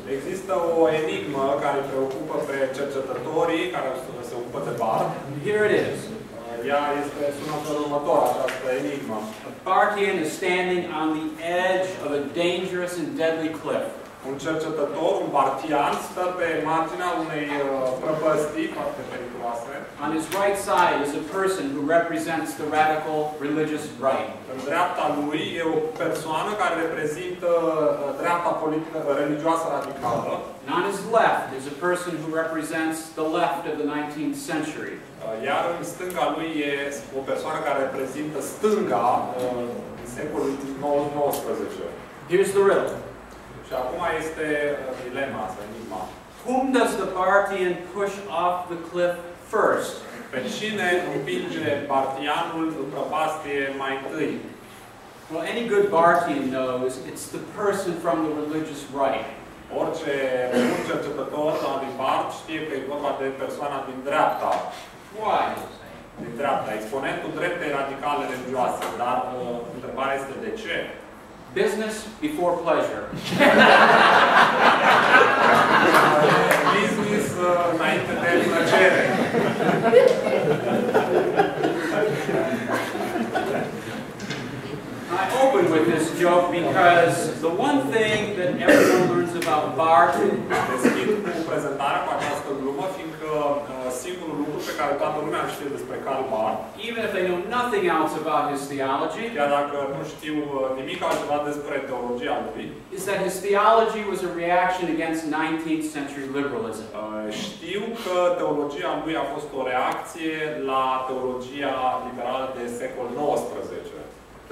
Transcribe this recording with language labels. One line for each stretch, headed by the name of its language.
Romanian: Există o enigmă care preocupă pe cercetătorii care se ocupă de Barth.
English: Here it is.
Romanian: Ea este sunătorul următor, această enigmă.
English: A Barthian is standing on the edge of a dangerous and deadly cliff.
Romanian: Un cercetător, un Barthian, stă pe marginea unei prăpăstii foarte periculoase.
English: On his right side is a person who represents the radical religious right.
Romanian: În dreapta lui e o persoană care reprezintă dreapta politică religioasă radicală.
English: And on his left is a person who represents the left of the 19th century.
Romanian: Iar în stânga lui e o persoană care reprezintă stânga secolului 19.
English: Here's the riddle.
Romanian: Și acum este dilema, enigma.
English: Whom does the Barthian push off the cliff first?
Romanian: Pe cine împinge Barthianul în prăpastie mai întâi?
English: Well, any good Barthian knows it's the person from the religious right.
Romanian: Orice bun cercetător sau din Barth știe că e vorba de persoana din dreapta.
English: Why?
Romanian: Din dreapta, exponentul dreptei radicale religioase. Dar întrebarea este de ce?
English: Business before pleasure.
Romanian: Business înainte de plăcere.
English: I open with this joke because the one thing that everyone learns about Barth.
Romanian: Deschid cu prezentarea cu această glumă, fiindcă singurul lucru pe care toată lumea știe despre Karl Barth.
English: Even if they know nothing else about his theology.
Romanian: Chiar dacă nu știu nimic altceva despre teologia lui.
English: Is that his theology was a reaction against 19th century liberalism.
Romanian: Știu că teologia lui a fost o reacție la teologia liberală de secol 19.